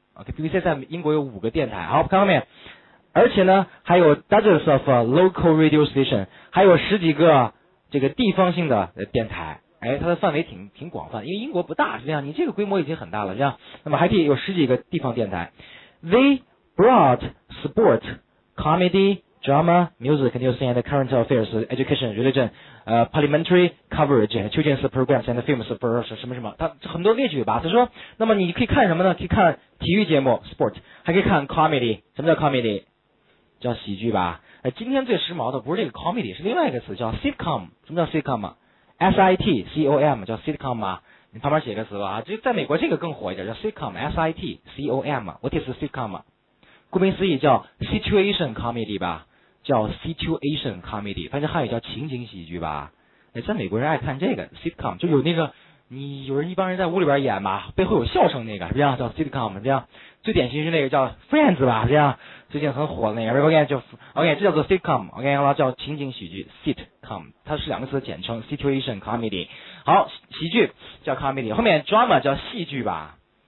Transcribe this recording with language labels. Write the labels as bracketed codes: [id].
[zh] OK，BBC 在英国有五个电台。好，看后面。而且呢还有 [en] dozens of local radio station， [zh] 还有十几个这个地方性的电台。哎，它的范围挺广泛，因为英国不大，是这样，你这个规模已经很大了，是这样。那么还可以有十几个地方电台。 [en] They brought sport, comedy, drama, music, news and current affairs, education, religion, parliamentary, coverage, children's programs and films for [zh] 什么什么，他很多列举吧。他说，那么你可以看什么呢？可以看体育节目 sport, 还可以看 comedy, 什么叫 comedy? 叫喜剧吧。今天最时髦的不是这个 comedy, 是另外一个词叫 sitcom, 什么叫 sitcom? S-I-T-C-O-M, 叫 sitcom 啊。你旁边写个词吧，就在美国这个更火一点，叫 sitcom, S-I-T-C-O-M, [en] what is sitcom? [zh] 顾名思义叫 situation comedy 吧，叫 situation comedy, 反正汉语叫情景喜剧吧。在美国人爱看这个 sitcom, 就有那个你有人一帮人在屋里边演嘛，背后有笑声那个，这样叫 sitcom, 这样最典型是那个叫 friends 吧，这样最近很火的那个 ,everybody 叫 ,okay, 这叫做 sitcom, okay, 叫情景喜剧 sitcom, 它是两个词的简称 situation comedy, 好，喜剧叫 comedy, 后面 drama 叫戏剧吧，